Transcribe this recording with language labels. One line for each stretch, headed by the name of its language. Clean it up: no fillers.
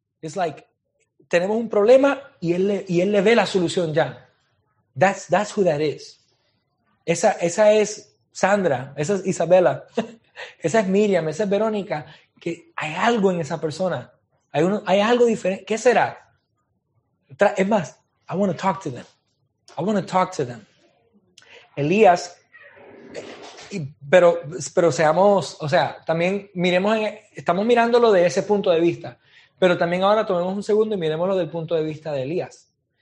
English: It's like,
Spanish: tenemos un problema y él le ve la solución ya.
English: That's who that is.
Spanish: Esa es Sandra. Esa es Isabela. Esa es Miriam. Esa es Verónica. Que hay algo en esa persona. Hay algo diferente. ¿Qué será? Es más,
English: I want to talk to them. I want to talk to them.
Spanish: Elías, pero seamos, o sea, también miremos, estamos mirándolo de ese punto de vista, pero también ahora tomemos un segundo y miremoslo del punto de vista de Elías.